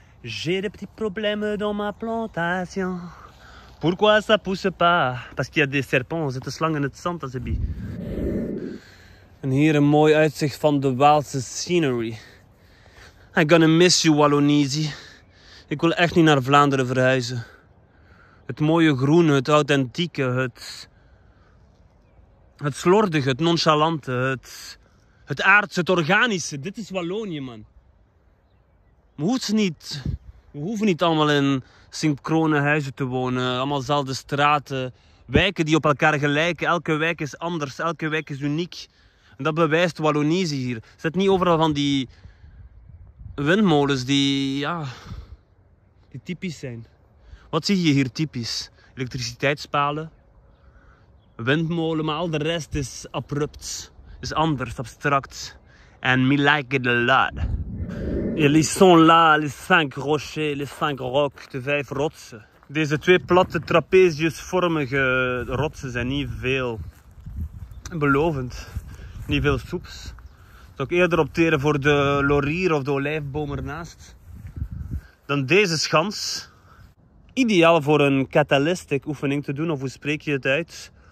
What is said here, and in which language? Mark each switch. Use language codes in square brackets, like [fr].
[fr] J'ai des petits problèmes dans ma plantation. Pourquoi ça pousse pas? Parce qu'il y a des serpents. [nl] Zit de slang in het zand, alsjeblieft. En hier een mooi uitzicht van de Waalse scenery. [en] I'm gonna miss you, Wallonisi. [nl] Ik wil echt niet naar Vlaanderen verhuizen. Het mooie groene, het authentieke, het slordige, het nonchalante, het aardse, het organische. Dit is Wallonië, man. We hoeven niet allemaal in synchrone huizen te wonen. Allemaal dezelfde straten. Wijken die op elkaar gelijken. Elke wijk is anders. Elke wijk is uniek. En dat bewijst Wallonië hier. Zet niet overal van die windmolens die typisch zijn. Wat zie je hier typisch? Elektriciteitspalen, windmolen, maar al de rest is abrupt. [en] Is anders, abstract. And me like it a lot. [fr] Et ils sont là, les 5 rochers, les 5 rocs, [nl] de 5 rotsen. Deze 2 platte trapeziusvormige rotsen zijn niet veel belovend. Niet veel soeps. Zou ik eerder opteren voor de laurier of de olijfboom ernaast. Dan deze schans. Ideaal voor een catalytic oefening te doen, of hoe spreek je het uit?